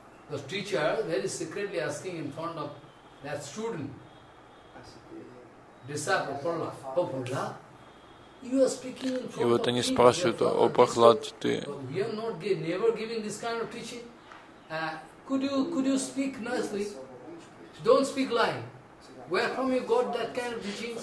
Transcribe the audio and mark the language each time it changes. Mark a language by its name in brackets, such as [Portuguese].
[English] The teacher very secretly asking in front of that student, disciple, Prahlad, oh Prahlad, you are speaking in front of me. [Russian] И вот они спрашивают: о Прахлад, ты. [English] We are not never giving this kind of teaching. Could you speak nicely? Don't speak lie. Where from you got that kind of teaching?